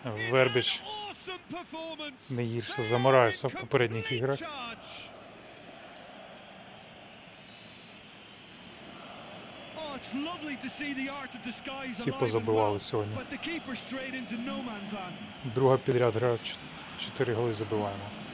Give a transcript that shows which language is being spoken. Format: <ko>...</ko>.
<uk>Вербіч не гірше за Морайса в попередніх іграх.</uk> <en>It's lovely to see the art of disguise alive.</en> <uk>Всі позабивали сьогодні.</uk> <en>But the keeper straight into no man's land.</en> <uk>Друга підряд гра, 4 голи забиваємо.</uk>